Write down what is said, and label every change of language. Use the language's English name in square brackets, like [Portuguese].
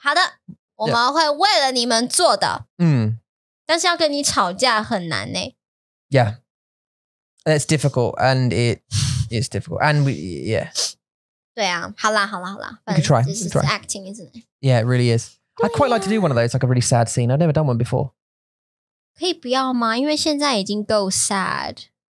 [Chinese] 好的，我们会为了你们做的。嗯，但是要跟你吵架很难呢。 [English] Yeah, it's difficult, and it's difficult, and we yeah. [Chinese] 对啊，好啦，好啦，好啦。 [English] You can try. This is acting, isn't it? Yeah, it really is. I quite like to do one of those, like a really sad scene. I've never done one before. [Chinese] 可以不要吗？因为现在已经够 sad.